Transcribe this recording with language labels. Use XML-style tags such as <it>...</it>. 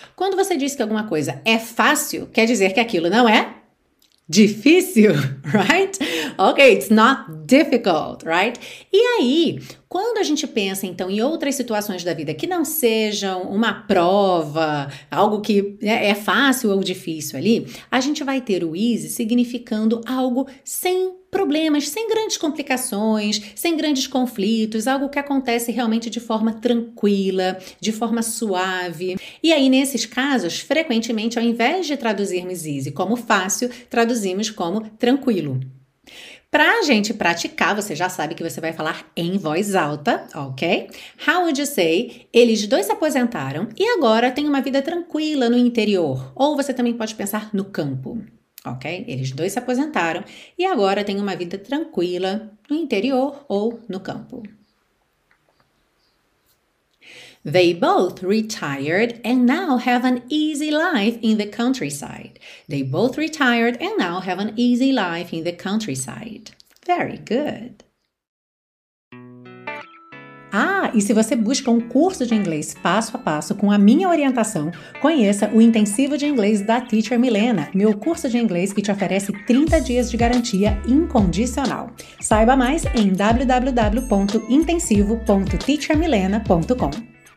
<pt>Quando você diz que alguma coisa é fácil, quer dizer que aquilo não é difícil, right?</pt> <en>Ok, it's not difficult, right?</en> <pt>E aí, quando a gente pensa, então, em outras situações da vida que não sejam uma prova, algo que é fácil ou difícil ali, a gente vai ter o easy significando algo sem problemas, sem grandes complicações, sem grandes conflitos, algo que acontece realmente de forma tranquila, de forma suave. E aí, nesses casos, frequentemente, ao invés de traduzirmos easy como fácil, traduzimos como tranquilo. Pra gente praticar, você já sabe que você vai falar em voz alta, ok?</pt> <en>How would you say,</en> <pt>eles dois se aposentaram e agora têm uma vida tranquila no interior? Ou você também pode pensar no campo, ok? Eles dois se aposentaram e agora têm uma vida tranquila no interior ou no campo.</pt> <en>They both retired and now have an easy life in the countryside. They both retired and now have an easy life in the countryside. Very good.</en> <pt>Ah, e se você busca um curso de inglês passo a passo com a minha orientação, conheça o Intensivo de Inglês da Teacher Milena, meu curso de inglês que te oferece 30 dias de garantia incondicional. Saiba mais em www.intensivo.teachermilena.com.</pt>